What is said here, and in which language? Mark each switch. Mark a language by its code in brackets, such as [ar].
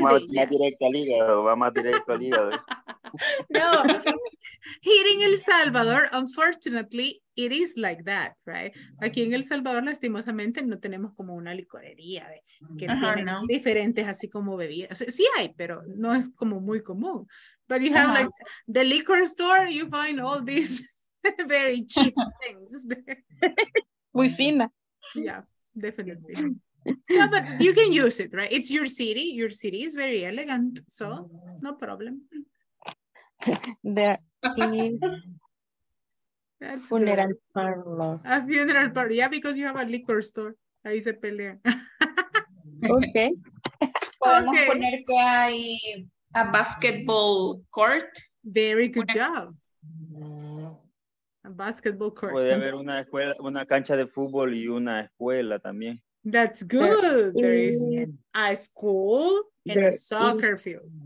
[es] Va más directo al hígado, va más directo al hígado. [en] No, here in El Salvador, unfortunately, it is like that, right? [es] Aquí en El Salvador, lastimosamente, no tenemos como una licorería de, que tiene no. Diferentes así como bebidas. O sea, sí hay, pero no es como muy común. [en] But you have like the liquor store, you find all these very cheap things there. [es] Muy fina. [en] Yeah, definitely. Yeah, but you can use it, right? It's your city. Your city is very elegant, so no problem. There is funeral parlor. A funeral parlor, yeah, because you have a liquor store. [es] Ahí se pelean. [en] Okay. [es] Podemos poner que hay [en] a basketball court. Very good job. A basketball court. [es] Puede haber una escuela, una cancha de fútbol y una escuela también. [en] That's good. There is a school and a soccer field.